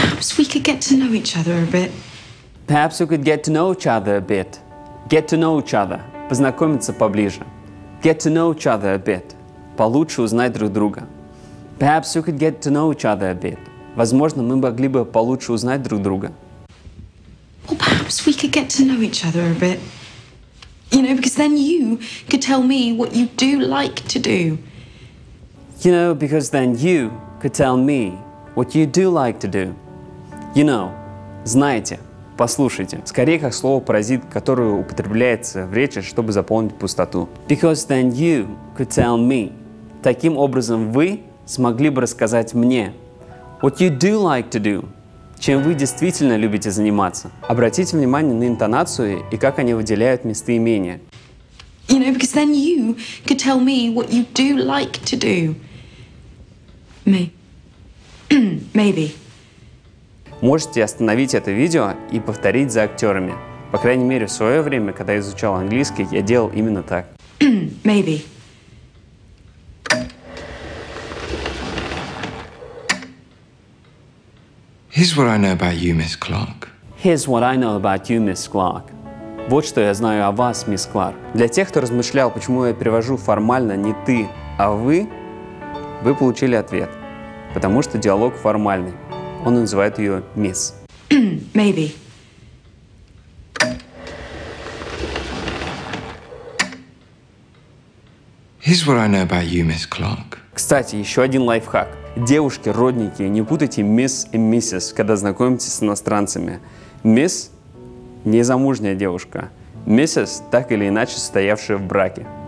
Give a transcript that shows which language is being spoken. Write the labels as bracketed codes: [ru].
[en] Perhaps we could get to know each other a bit. Get to know each other. [ru] Познакомиться поближе. [en] Get to know each other a bit. [ru] Получше узнать друг друга. [en] Perhaps we could get to know each other a bit. [ru] Возможно, мы могли бы получше узнать друг друга. [en] Well, perhaps we could get to know each other a bit. You know, because then you could tell me what you do like to do. You know, because then you could tell me what you do like to do. You know, [ru] знаете, послушайте. Скорее как слово-паразит, которое употребляется в речи, чтобы заполнить пустоту. [en] Because then you could tell me. [ru] Таким образом, вы смогли бы рассказать мне. [en] What you do like to do. [ru] Чем вы действительно любите заниматься. Обратите внимание на интонацию и как они выделяют местоимения. [en] You know, because then you could tell me what you do like to do. Maybe. [ru] Можете остановить это видео и повторить за актерами. По крайней мере, в свое время, когда я изучал английский, я делал именно так. [en] Maybe. Here's what I know about you, Miss Clark. Here's what I know about you, Miss Clark. [ru] Вот что я знаю о вас, мисс Кларк. Для тех, кто размышлял, почему я перевожу формально не ты, а вы получили ответ. Потому что диалог формальный. Он называет ее мисс. [en] Maybe. Here's what I know about you, Miss Clark. [ru] Кстати, еще один лайфхак. Девушки, родники, не путайте мисс и миссис, когда знакомитесь с иностранцами. Мисс – незамужняя девушка. Миссис – так или иначе состоявшая в браке.